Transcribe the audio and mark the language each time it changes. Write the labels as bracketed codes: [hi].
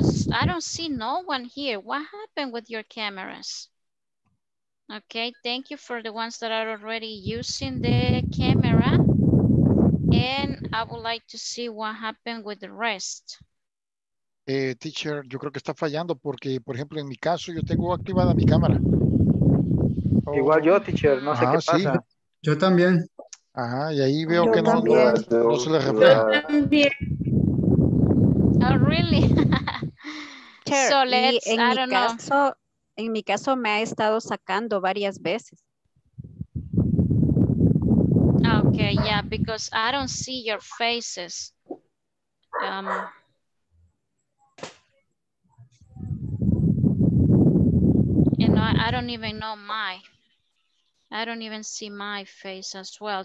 [en] I don't see no one here. What happened with your cameras? Okay, thank you for the ones that are already using the camera. And I would like to see what happened with the rest. [es] Teacher, yo creo que está fallando porque, por ejemplo, en mi caso, yo tengo activada mi cámara. Oh. Igual yo, teacher, no sé qué pasa. Sí. Yo también. Ajá, y ahí veo yo que no, no, no se le refleja. Yo también. [en] Oh, really? Teacher, so let's, I don't know. [es] Caso, en mi caso me ha estado sacando varias veces. [en] Okay, yeah, because I don't see your faces. You know, I don't even know my. I don't even see my face as well.